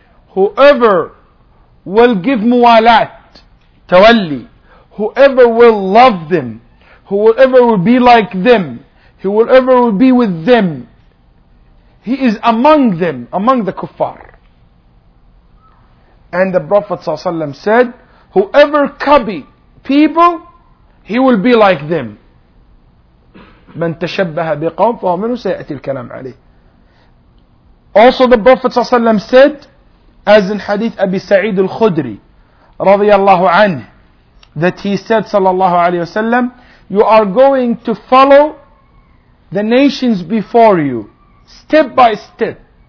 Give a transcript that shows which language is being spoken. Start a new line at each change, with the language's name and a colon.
English: Whoever will give muwalat, tawalli, whoever will love them, whoever will be like them, whoever will be with them, he is among them, among the kuffar. And the Prophet ﷺ said, whoever copy people, he will be like them.
Arabic: من تشبه بقوم فهو منه سيأتي الكلام عليه.
English: Also the Prophet ﷺ said, as in hadith Abi Sa'id al-Khudri, رضي الله عنه, that he said, صلى الله عليه وسلم, you are going to follow the nations before you, step by step.